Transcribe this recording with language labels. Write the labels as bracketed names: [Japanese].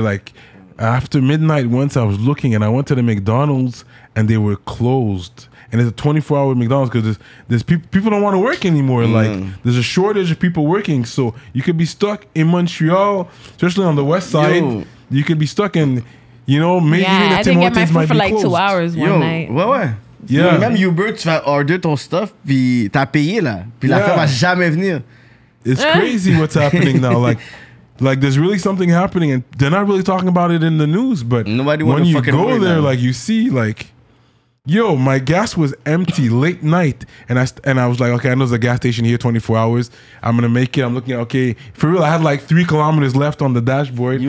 [English] Like, after midnight once, I was looking and I went to the McDonald's and they were closed. And it's a 24-hour McDonald's because people don't want to work anymore. Mm. Like, there's a shortage of people working. So you could be stuck in Montreal, especially on the west side. Yo. You could be stuck in, you know, maybe yeah, the Tim Hortons might be closed. Yeah, I didn't get my food for like 2 hours one yo, night. [French] Ouais, ouais. [English] Yeah. [French] Même Uber, tu vas order ton stuff, puis t'as payé, là. Puis la femme va jamais venir. [English] It's crazy what's happening now. Like, there's really something happening, and they're not really talking about it in the news, but nobody when you fucking go there, like, you see, like, yo, my gas was empty late night, and I was like, okay, I know there's a gas station here 24 hours. I'm going to make it. I'm looking at, okay, for real, I had like 3 kilometers left on the dashboard.